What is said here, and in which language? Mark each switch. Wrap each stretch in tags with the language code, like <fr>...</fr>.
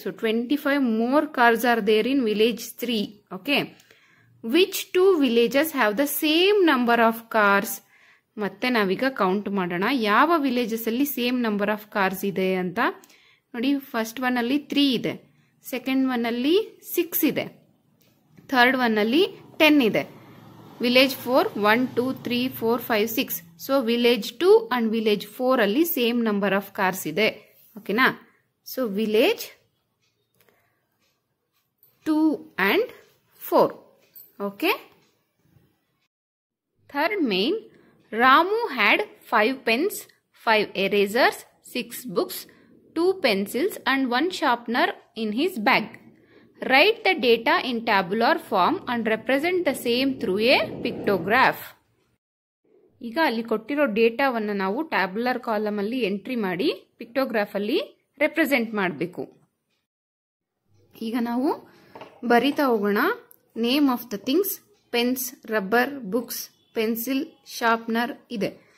<en>So 25 more cars are there in village 3. Okay. Which two villages have the same number of cars?</en> <kn>ಮತ್ತೆ ನಾವೀಗ count ಮಾಡೋಣ ಯಾವ villages ಅಲ್ಲಿ same number of cars ಇದೆ ಅಂತ ನೋಡಿ. ಫಸ್ಟ್ ಒನ್ ಅಲ್ಲಿ 3 ಇದೆ, ಸೆಕೆಂಡ್ ಒನ್ ಅಲ್ಲಿ 6 ಇದೆ, ಥರ್ಡ್ ಒನ್ ಅಲ್ಲಿ 10 ಇದೆ. Village 4 1 2 3 4 5 6. So village 2 and village 4 ಅಲ್ಲಿ ಸೇಮ್ ನಂಬರ್ ಆಫ್ ಕಾರ್ಸ್ ಇದೆ. ಓಕೆನಾ? So village 2 and 4. Okay.</kn> <en>Third main, Ramu had 5 pens, 5 erasers, 6 books, 2 pencils and 1 sharpener in his bag. Write the data in tabular form and represent the same through a pictograph.</en> <kn>ಈಗ ಅಲ್ಲಿ ಕೊಟ್ಟಿರೋ ಡೇಟಾವನ್ನು ನಾವು tabular column ಅಲ್ಲಿ entry ಮಾಡಿ ಪಿಕ್ಟೋಗ್ರಾಫ್ ಅಲ್ಲಿ represent ಮಾಡಬೇಕು. ಈಗ ನಾವು ಬರಿತಾ ಹೋಗೋಣ. Name of the things, pens, rubber, books, pencil, sharpener ಇದೆ.</kn>